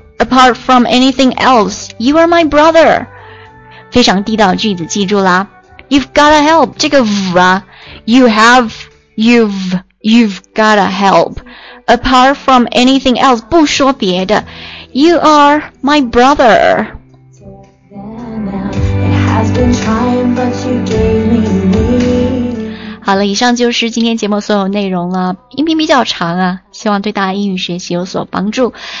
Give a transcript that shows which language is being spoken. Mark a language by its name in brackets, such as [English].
[English] Apart from anything else, you are my brother. [Chinese] 非常地道的句子，记住啦。 [English] You've gotta help. [Chinese] 这个 v 啊， [English] you have, you've gotta help. Apart from anything else, [Chinese] 不说别的， [English] you are my brother. It has been time, but you gave me. [Chinese] 好了，以上就是今天节目所有内容了。音频比较长啊，希望对大家英语学习有所帮助。